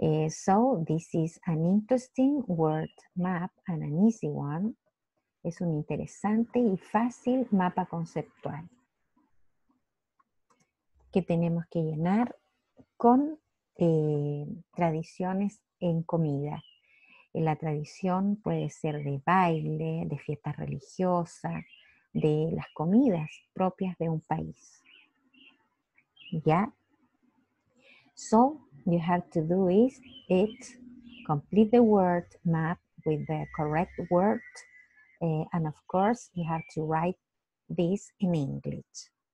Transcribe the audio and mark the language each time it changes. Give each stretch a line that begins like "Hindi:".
English: So this is an interesting word map and an easy one.
Spanish: Es un interesante y fácil mapa conceptual que tenemos que llenar con tradiciones en comida. La tradición puede ser de baile, de fiesta religiosa, de las comidas propias de un país. ¿Ya?
English: So, you have to do is it, complete the word map with the correct word, and of course, you have to write this in English.